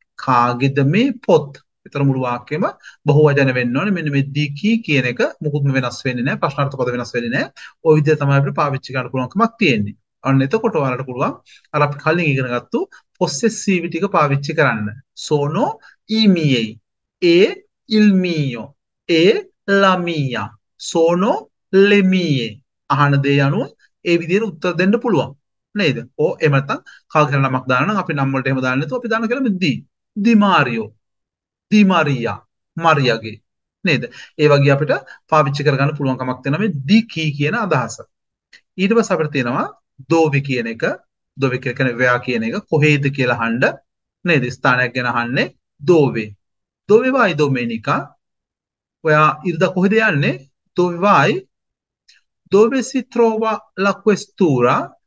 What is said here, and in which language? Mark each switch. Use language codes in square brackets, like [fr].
[si] කාගෙද මේ පොත්? එතන මුළු වාක්‍යෙම බහුවචන වෙන්න ඕනේ. මෙන්න මේ දිකි කියන එක මුකුත්ම වෙනස් වෙන්නේ නැහැ. ප්‍රශ්නාර්ථ පද වෙනස් වෙන්නේ නැහැ. ওই විදිහ තමයි අපිට පාවිච්චි කරන්න පුළුවන්කමක් තියෙන්නේ. අන්න එතකොට ඔයාලට පුළුවන් අර අපි කලින් ඉගෙන ගත්තු possessive ටික පාවිච්චි කරන්න. [it] sono i miei, e il mio, e la mia, sono le mie. [si] අහන දේ අනුව ඒ විදිහට උත්තර දෙන්න පුළුවන් නේද? ඔ එහෙම නැත්නම් කවුරු හරි නමක් දාන නම් අපි නම් වලට එහෙම දාන්නේ නැතුව අපි දාන කියලා දී. [it] di Mario, di Maria, [si] මරියාගේ නේද? ඒ වගේ අපිට පාවිච්චි කරගන්න පුළුවන් කමක් තියෙනවා මේ di chi කියන අදහස. ඊට පස්සේ අපිට තියෙනවා dove කියන එක. දොවේ කියන්නේ වෙයා කියන එක. කොහේද කියලා අහන්න නේද? ස්ථානයක් ගැන අහන්නේ දොවේ. දොවේ වයි ඩොමිනිකා? ඔයා ඉරිදා කොහෙද යන්නේ? දොවේ වයි. දොවේ සි ට්‍රෝවා ලා ක්වෙස්තුරා?